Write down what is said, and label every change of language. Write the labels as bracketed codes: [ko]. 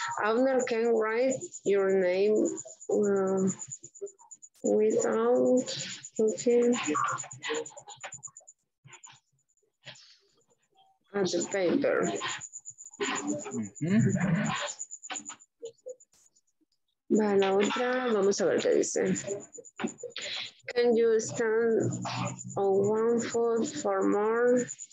[en] Abner can write your name without looking at the paper. Mm-hmm. [es] Vale, la otra, vamos a ver qué dice. [en] Can you stand on one foot for more?